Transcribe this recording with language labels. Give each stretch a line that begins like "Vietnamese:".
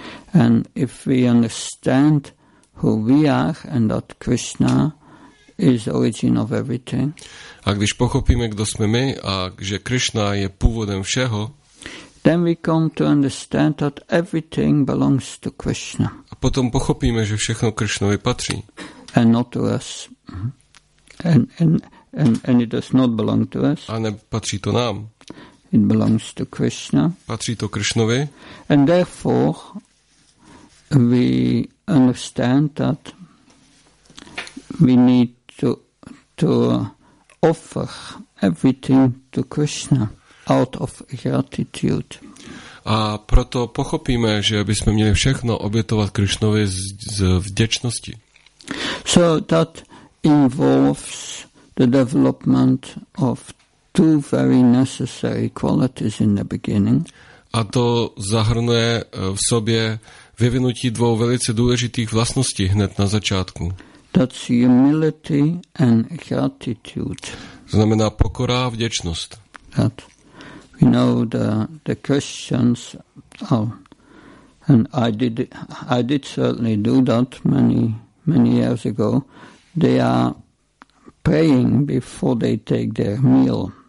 English: And if we understand who we are and that Krishna is origin of everything.
Czech: A když pochopíme, kdo jsme my a že Krishna je původem všeho,
English: then we come to understand that everything belongs to Krishna.
Czech: A potom pochopíme, že všechno Krishnovi patří.
English: And not to us. And it does not belong to us.
Czech: A nepatří to nám.
English: It belongs to Krishna.
Czech: Patří to Krishnovi.
English: And therefore we understand that we need to offer everything to Krishna out of gratitude.
Czech: A proto pochopíme, že by sme měli všechno obětovat Krishnovi z vděčnosti.
English: So that involves the development of two very necessary qualities in the beginning.
Czech: A to zahrnuje v sobě vyvinutí dvou velice důležitých vlastností hned na začátku.
English: That's humility and gratitude.
Czech: Znamená pokora a vděčnost.
English: That we know the Christians and I did certainly do that many years ago. They are praying before they take their meal.